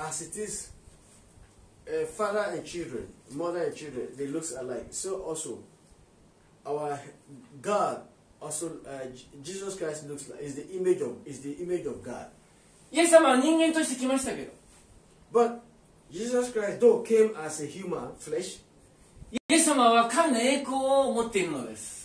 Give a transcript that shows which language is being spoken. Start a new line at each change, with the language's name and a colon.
English: As it is, father and children, mother and children, they look alike. So also, our God, also, Jesus Christ looks like, is the image of God.
Japanese: イエス様は人間として来ましたけど。
English: But Jesus Christ, though, came as a human flesh.
Japanese: イエス様は神の栄光を持っているのです。